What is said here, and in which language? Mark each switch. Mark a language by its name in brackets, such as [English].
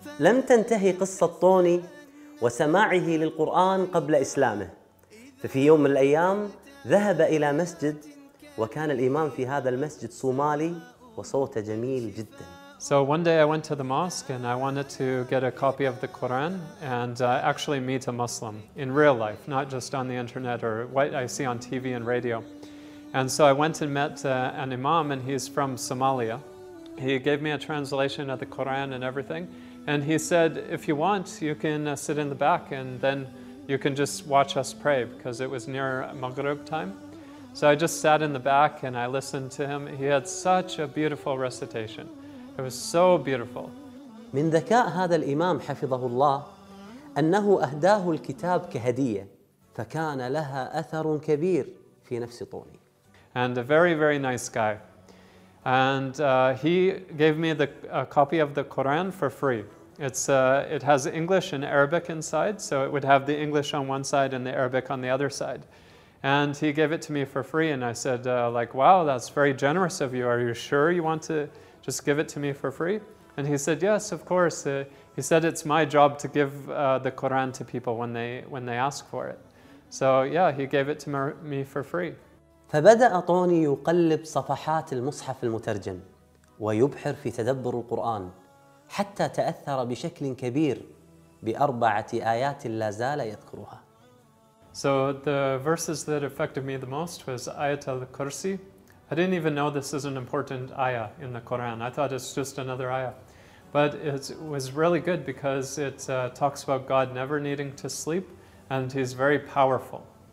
[Arabic] لم تنتهي قصة طوني وسماعه للقرآن قبل إسلامه. ففي يوم من الأيام ذهب إلى مسجد وكان الإمام في هذا المسجد صومالي وصوته جميل جدا. [English] So one day I went to the mosque and I wanted to get a copy of the Quran and actually meet a Muslim in real life, not just on the internet or what I see on TV and radio. And so I went and met an Imam and he's from Somalia. He gave me a translation of the Quran and everything. And he said, if you want, you can sit in the back and then you can just watch us pray, because it was near Maghrib time. So I just sat in the back and I listened to him. He had such a beautiful recitation. It was so beautiful. [Arabic] من ذكاء هذا الإمام حفظه الله أنه أهداه الكتاب كهدية فكان لها أثر كبير في نفس طوني. [English] And a very, very nice guy. And he gave me a copy of the Quran for free. It has English and Arabic inside, so it would have the English on one side and the Arabic on the other side. And he gave it to me for free, and I said, like, wow, that's very generous of you. Are you sure you want to just give it to me for free? And he said, yes, of course. He said, it's my job to give the Quran to people when they ask for it. So yeah, he gave it to me for free. [Arabic] فبدأ طوني يقلب صفحات المصحف المترجم ويبحر في تدبر القرآن حتى تأثر بشكل كبير بأربعة آيات لا زال يذكرها. [English] So the verses that affected me the most was Ayat al-Kursi. I didn't even know this is an important ayah in the Quran. I thought it's just another ayah. But it was really good because it talks about God never needing to sleep and he's very powerful.